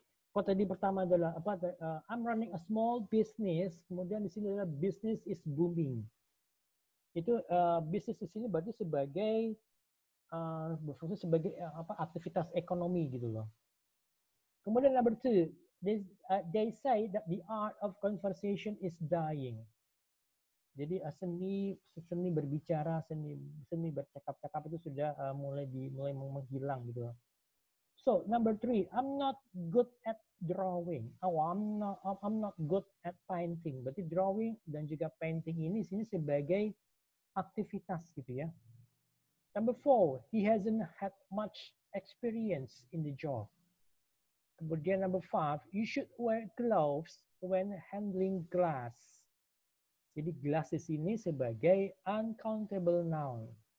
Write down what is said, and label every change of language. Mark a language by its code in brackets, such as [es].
[id] Kata di pertama adalah apa? [en] I'm running a small business. [id] Kemudian di sini adalah [en] business is booming. [id] Itu business di sini berarti sebagai berfungsi sebagai apa? Aktivitas ekonomi gitu loh. Kemudian number two. [en] They say that the art of conversation is dying. [id] Jadi seni berbicara, seni bercakap-cakap itu sudah mulai menghilang gitu. [en] So number three, I'm not good at drawing. I'm not good at painting. [id] Berarti drawing dan juga painting ini sini sebagai aktivitas gitu ya. [en] Number four, he hasn't had much experience in the job. Kemudian number five, you should wear gloves when handling glass. [id] Jadi glass di sini sebagai uncountable noun.